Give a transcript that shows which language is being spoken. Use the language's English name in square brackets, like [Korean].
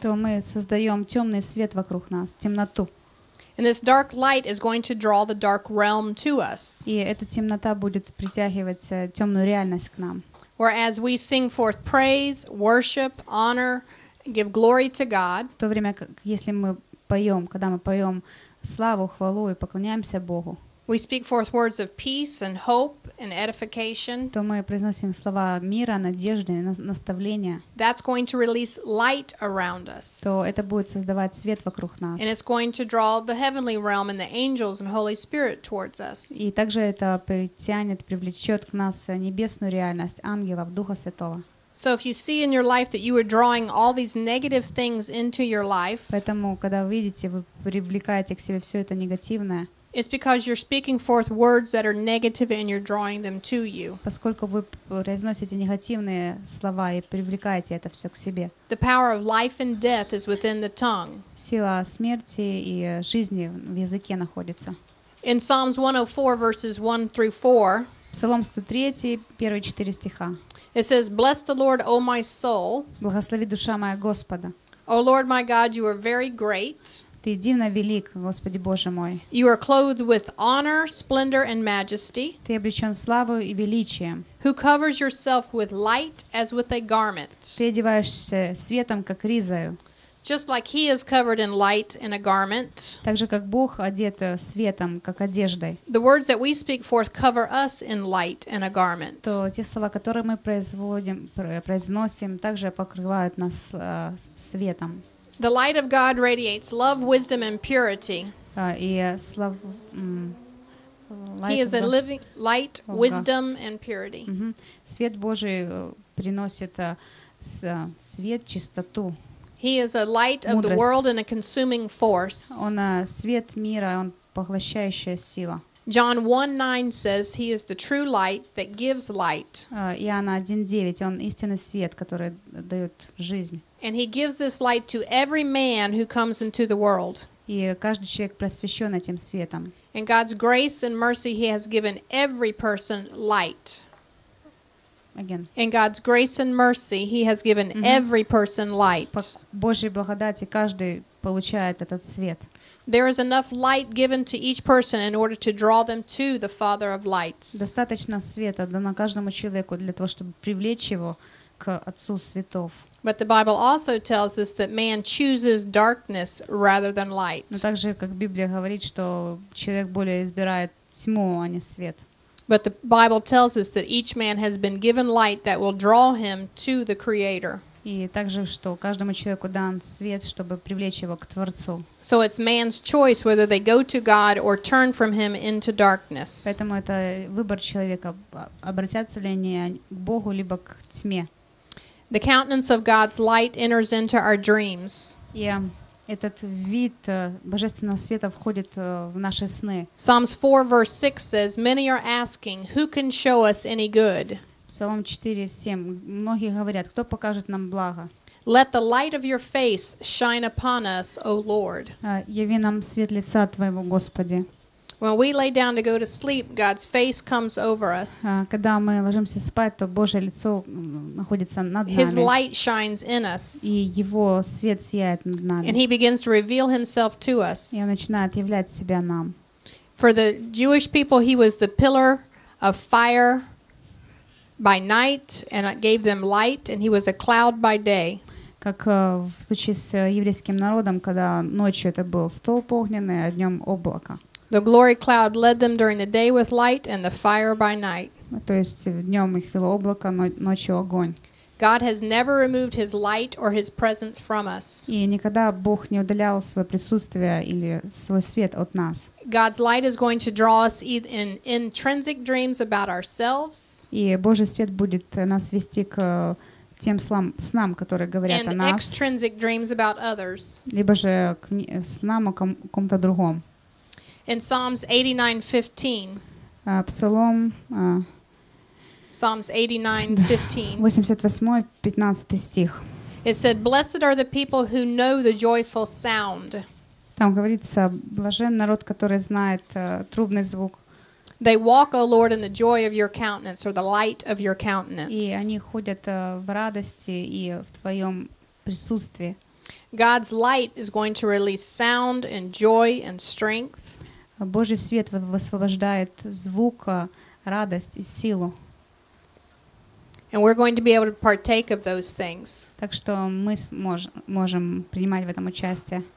[Russian] То мы создаем темный свет вокруг нас, темноту. [English] And this dark light is going to draw the dark realm to us. [Ukrainian] І ця темнота буде притягувати темну реальність к нам. [English] Whereas we sing forth praise, worship, honor, give glory to God. [Russian] В то время, если мы поём, когда мы поём славу, хвалу и поклоняемся Богу. [English] We speak forth words of peace and hope and edification. [Russian] То мы произносим слова мира, надежды, наставления. [English] That's going to release light around us. [Russian] То это будет создавать свет вокруг нас. [English] And it's going to draw the heavenly realm and the angels and Holy Spirit towards us. [Russian] И также это притянет, привлечёт к нас небесную реальность, ангелов, Духа Святого. [English] So if you see in your life that you are drawing all these negative things into your life, [Russian] поэтому когда вы видите, вы привлекаете к себе всё это негативное. [English] It's because you're speaking forth words that are negative and you're drawing them to you. [Russian] Поскольку вы произносите негативные слова и привлекаете это всё к себе. [English] The power of life and death is within the tongue. [Russian] Сила смерти и жизни в языке находится. [English] In Psalms 104 verses 1 through 4. [Russian] Псалом 103, первые 4 стиха. [English] It says, "Bless the Lord, O my soul." [Russian] Благослови душа моя Господа. [English] O Lord my God, you are very great. [Russian] Ты дивно велик, Господи Боже мой. [English] You are clothed with honor, splendor and majesty. [Russian] Ты облечён славой и величием. [English] Who covers yourself with light as with a garment. [Russian] Ты одеваешься светом, как ризою. [English] Just like he is covered in light in a garment. [Russian] Так же как Бог одет светом, как одеждой. [English] The words that we speak forth cover us in light in a garment. [Russian] То те слова, которые мы произносим, также покрывают нас светом. [English] The light of God radiates love, wisdom and purity. He is a living light, wisdom and purity. [Russian] Свет Божий приносит свет, чистоту. [English] He is a light of the world and a consuming force. [Russian] Он свет мира, он поглощающая сила. [English] John 1:9 says he is the true light that gives light. [Russian] Иоанна 1:9, он истинный свет, который даёт жизнь. [English] And he gives this light to every man who comes into the world. [Russian] И каждый человек просвещён этим светом. [English] In God's grace and mercy he has given every person light. Again. In God's grace and mercy he has given every person light. [Russian] По Божьей благодати каждый получает этот свет. [English] There is enough light given to each person in order to draw them to the Father of lights. [Russian] Достаточно света для каждому человеку для того, чтобы привлечь его к Отцу светов. [English] But the Bible also tells us that man chooses darkness rather than light. [Russian] Но также как Библия говорит, что человек более избирает тьму, а не свет. [English] But the Bible tells us that each man has been given light that will draw him to the Creator. [Russian] И также, что каждому человеку дан свет, чтобы привлечь его к Творцу. [English] So it's man's choice whether they go to God or turn from him into darkness. [Russian] Поэтому это выбор человека, обратятся ли они к Богу либо к тьме. [English] The countenance of God's light enters into our dreams. Yeah, [Russian] этот вид божественного света входит в наши сны. [English] Psalms 4 verse 6 says, "Many are asking, who can show us any good?" [Russian] Псалом 4:7. Многие говорят, кто покажет нам благо? [English] Let the light of your face shine upon us, O Lord. [Russian] Яви нам свет лица твоего, Господи. [English] When we lay down to go to sleep, God's face comes over us. [Russian] Когда мы ложимся спать, то Божье лицо находится над нами. [English] His light shines in us. [Russian] И его свет сияет над нами. [English] And he begins to reveal himself to us. [Russian] И он начинает являть себя нам. [English] For the Jewish people, he was the pillar of fire by night and gave them light, and he was a cloud by day. [Russian] Как в случае с еврейским народом, когда ночью это был столб огненный, а днём облако. [English] The glory cloud led them during the day with light and the fire by night. [Russian] То есть днём их вело облако, ночью огонь. [English] God has never removed his light or his presence from us. [Russian] И никогда Бог не удалял своё присутствие или свой свет от нас. [English] God's light is going to draw us in intrinsic dreams about ourselves. [Russian] И Божий свет будет нас вести к тем снам, которые говорят о нас. [English] And extrinsic dreams about others. [Russian] Либо же к снам о ком-то другом. [English] In Psalms 89:15. Psalms 89:15. [Russian] 88:15 стих. [English] It said, "Blessed are the people who know the joyful sound." [Russian] Там говорится, блажен народ, который знает трубный звук. [English] They walk, O Lord, in the joy of your countenance or the light of your countenance. [Russian] И они ходят в радости и в твоём присутствии. [English] God's light is going to release sound and joy and strength. [Ukrainian] Божий світ висвобождає звук, радість і силу. [English] And we're going to be able to partake of those things. [Ukrainian] Так що ми можемо приймати в цьому участь.